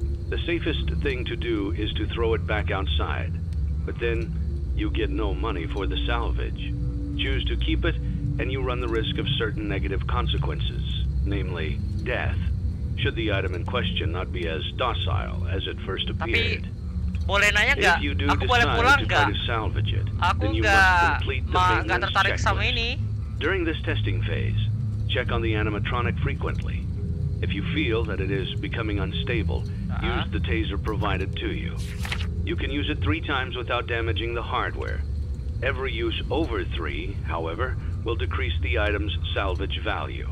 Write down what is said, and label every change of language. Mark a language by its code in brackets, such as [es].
[en] The safest thing to do is to throw it back outside, but then you get no money for the salvage. Choose to keep it, and you run the risk of certain negative consequences, namely death, should the item in question not be as docile as it first appeared. [id] Boleh nanya nggak? Aku boleh pulang nggak? Aku nggak tertarik sama ini. [en] During this testing phase, check on the animatronic frequently. If you feel that it is becoming unstable, use the taser provided to you. You can use it 3 times without damaging the hardware. Every use over 3, however, will decrease the item's salvage value.